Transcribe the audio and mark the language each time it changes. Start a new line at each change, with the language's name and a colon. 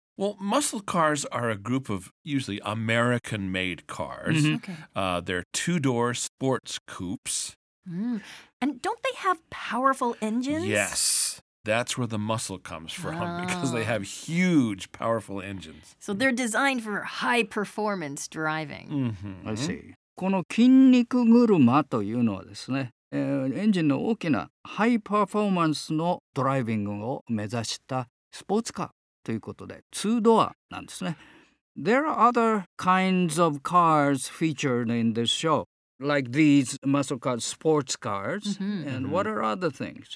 English: Well, muscle cars are a group of usually American-made cars. They're two-door sports coupes. And don't they have powerful engines? Yes. That's where the muscle comes from, because they have huge, powerful engines. So they're designed for high-performance driving. I see.
Japanese: この筋肉車というのはですね、エンジンの大きなハイパフォーマンスのドライビングを目指したスポーツカーということで、ツードアなんですね。
English: There are other kinds of cars featured in this show. Like these muscle cars, sports cars, and what are other things?